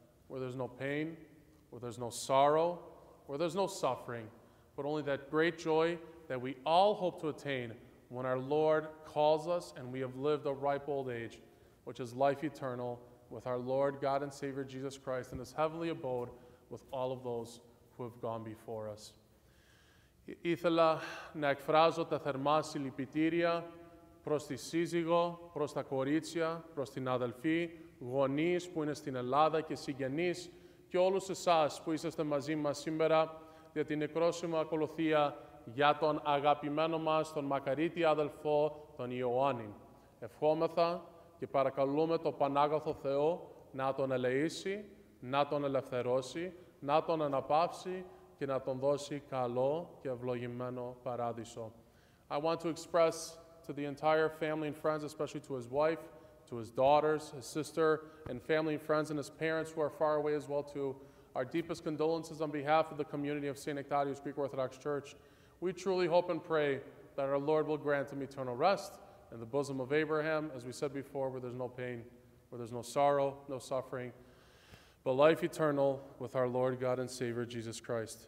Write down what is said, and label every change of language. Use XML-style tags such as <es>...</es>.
<en>where there's no pain, where there's no sorrow, where there's no suffering, but only that great joy that we all hope to attain when our Lord calls us and we have lived a ripe old age, which is life eternal with our Lord God and Savior Jesus Christ in his heavenly abode with all of those who have gone before us.</en> <el>Ήθελα να εκφράζω τα θερμά συλληπιτήρια προς τη σύζυγο, προς τα κορίτσια, προς την αδελφή, γονείς που είναι στην Ελλάδα και συγγενείς και όλους εσάς που είσαστε μαζί μας σήμερα για την νεκρόσιμη ακολουθία για τον αγαπημένο μας, τον μακαρίτη αδελφό, τον Ιωάννη. Ευχόμεθα και παρακαλούμε τον Πανάγαθο Θεό να τον ελεήσει, να τον ελευθερώσει, να τον αναπαύσει και να τον δώσει καλό και ευλογημένο παράδεισο.</el> <en>I want to express to the entire family and friends, especially to his wife, to his daughters, his sister, and family and friends, and his parents who are far away as well, too. Our deepest condolences on behalf of the community of St. Ignatius Greek Orthodox Church. We truly hope and pray that our Lord will grant him eternal rest in the bosom of Abraham, as we said before, where there's no pain, where there's no sorrow, no suffering, but life eternal with our Lord God and Savior Jesus Christ.</en>